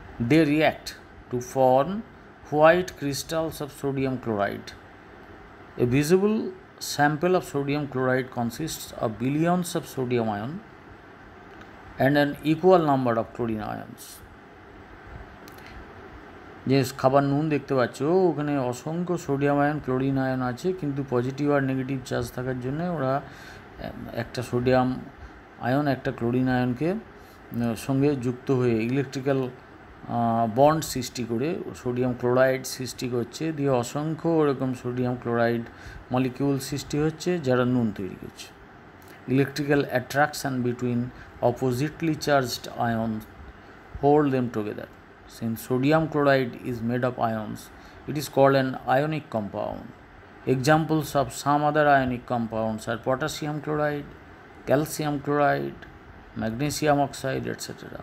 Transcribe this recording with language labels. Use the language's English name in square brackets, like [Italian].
[English] They react to form white crystals of sodium chloride. A visible sample of sodium chloride consists of billions of sodium ions and an equal number of chlorine ions. [Bangla] যেস খাবার নুন দেখতে পাচ্ছ, ওখানে অসংখ্য sodium ion chlorine ion আছে, কিন্তু positive আর negative charge থাকার জন্য ওরা একটা সোডিয়াম আয়ন একটা ক্লোরিন আয়নকে সঙ্গে যুক্ত হয়ে ইলেকট্রিক্যাল বন্ড সৃষ্টি করে সোডিয়াম ক্লোরাইড সৃষ্টি করছে, দিয়ে অসংখ্য ওরকম সোডিয়াম ক্লোরাইড মলিকিউল সৃষ্টি হচ্ছে যারা নুন তৈরি করছে। [English] Electrical attraction between oppositely charged ion hold them together. Since sodium chloride is made of ions, it is called an ionic compound. Examples of some other ionic compounds are potassium chloride, calcium chloride, magnesium oxide, etc.